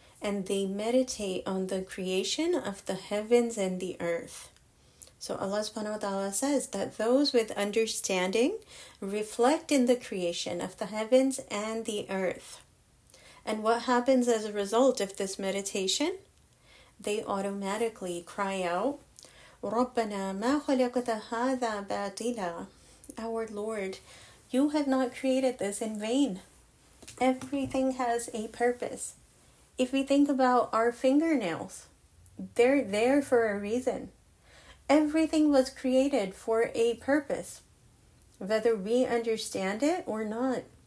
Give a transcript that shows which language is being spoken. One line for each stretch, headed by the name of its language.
English: And they meditate on the creation of the heavens and the earth. So Allah subhanahu wa ta'ala says that those with understanding reflect in the creation of the heavens and the earth. And what happens as a result of this meditation? They automatically cry out,
Arabic: رَبَّنَا مَا خَلَقْتَ هَذَا بَاطِلًا.
English: Our Lord, You have not created this in vain. Everything has a purpose. If we think about our fingernails, they're there for a reason. Everything was created for a purpose, whether we understand it or not.